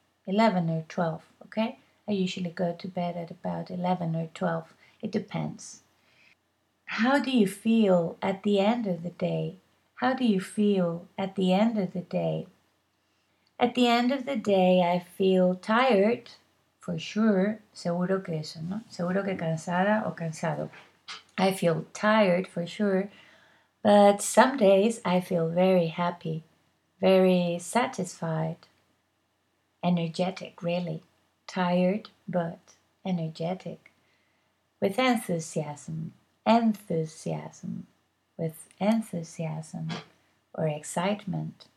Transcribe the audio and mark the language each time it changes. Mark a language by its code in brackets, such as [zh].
[en] 11 or 12, okay? I usually go to bed at about 11 or 12. It depends. How do you feel at the end of the day? How do you feel at the end of the day? At the end of the day, I feel tired, for sure. [es] Seguro que eso, ¿no? Seguro que cansada o cansado. [en] I feel tired, for sure. But some days I feel very happy, very satisfied, energetic, really. Tired, but energetic. With enthusiasm. Enthusiasm. With enthusiasm or excitement.